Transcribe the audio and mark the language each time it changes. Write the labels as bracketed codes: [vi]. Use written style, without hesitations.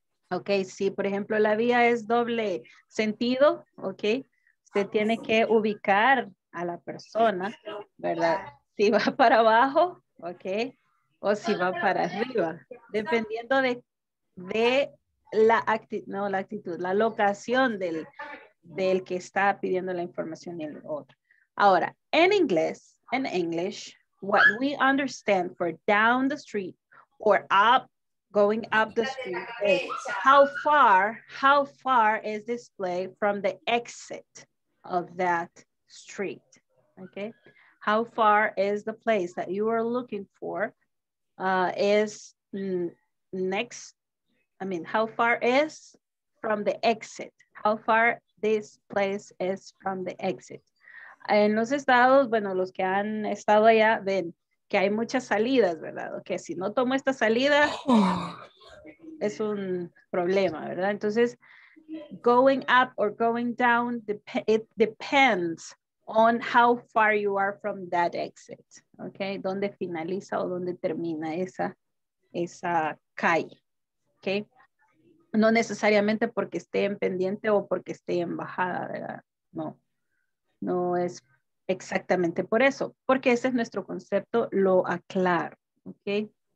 [es] Okay, si por ejemplo la vía es doble sentido, okay, usted tiene que ubicar a la persona, ¿verdad? Si va para abajo, okay, o si va para arriba, dependiendo de la locación del que está pidiendo la información y el otro. [en] Ahora, in English, what we understand for down the street or up, going up the street, is how far is this place from the exit of that street, okay? How far is the place that you are looking for how far is from the exit? How far this place is from the exit? [es] En los estados, bueno, los que han estado allá ven que hay muchas salidas, ¿verdad? Que si no tomo esta salida, es un problema, ¿verdad? [en] Entonces, going up or going down, it depends on how far you are from that exit, okay? [es] ¿Dónde finaliza o dónde termina esa calle, okay? No necesariamente porque esté en pendiente o porque esté en bajada, ¿verdad? No, no es exactamente por eso, porque ese es nuestro concepto, lo aclaro, ¿ok?